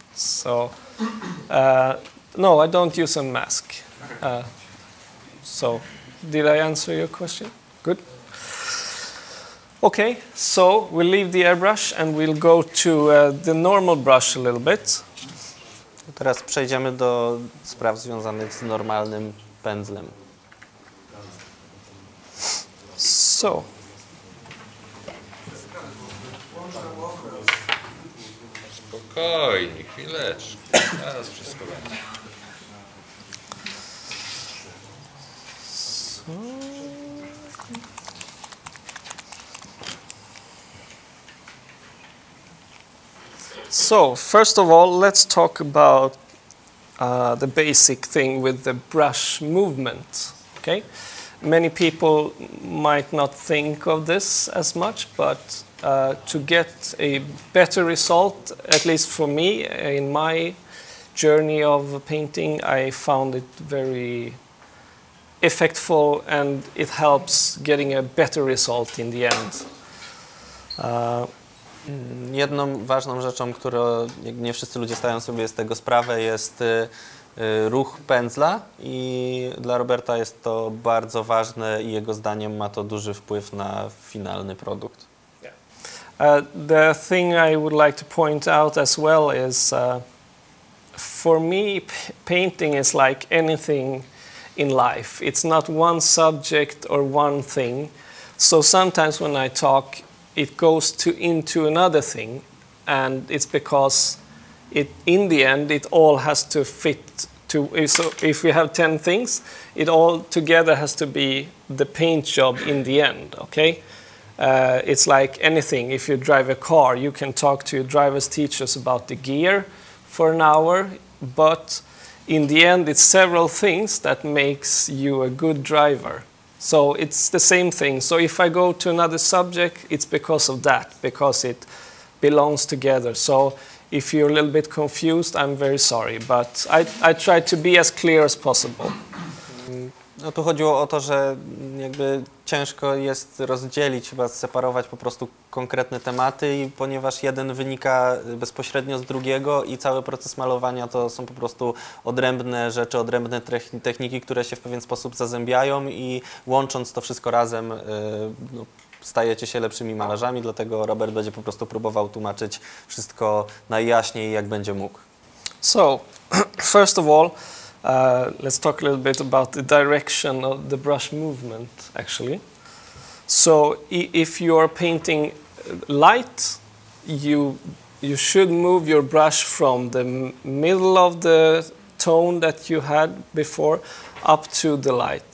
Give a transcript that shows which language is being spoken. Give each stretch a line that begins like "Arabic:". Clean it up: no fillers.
English: So, no, I don't use a mask. So, did I answer your question? Good. Okay, so we'll leave the airbrush and we'll go to the normal brush a little bit.
Polish: Teraz przejdziemy do spraw związanych z normalnym pędzlem.
English: So,
Polish: spokojnie, chwileczkę, zaraz wszystko będzie.
English: So, first of all, let's talk about the basic thing with the brush movement, okay? Many people might not think of this as much, but to get a better result, at least for me, in my journey of painting, I found it very effective and it helps getting a better result in the end.
Polish: Jedną ważną rzeczą, którą nie wszyscy ludzie zdają sobie z tego sprawę, jest ruch pędzla i dla Roberta jest to bardzo ważne i jego zdaniem ma to duży wpływ na finalny produkt.
English: The thing I would like to point out as well is, for me, painting is like anything in life. It's not one subject or one thing. So sometimes when I talk, it goes into another thing, and it's because in the end, it all has to fit. So if we have 10 things, it all together has to be the paint job in the end. Okay. It's like anything. If you drive a car, you can talk to your driver's teachers about the gear for an hour, but in the end, it's several things that makes you a good driver. So it's the same thing. So if I go to another subject, it's because of that, because it belongs together. So If you're a little bit confused, I'm very sorry, but I try to be as clear as possible.
Polish: No tu chodziło o to, że jakby ciężko jest rozdzielić, chyba separować po prostu konkretne tematy, ponieważ jeden wynika bezpośrednio z drugiego i cały proces malowania to są po prostu odrębne rzeczy, odrębne techniki, które się w pewien sposób zazębiają i łącząc to wszystko razem no, stajecie się lepszymi malarzami, dlatego Robert będzie po prostu próbował tłumaczyć wszystko najjaśniej, jak będzie mógł.
English: So, first of all, let's talk a little bit about the direction of the brush movement, actually. So, if you are painting light, you should move your brush from the middle of the tone that you had before up to the light.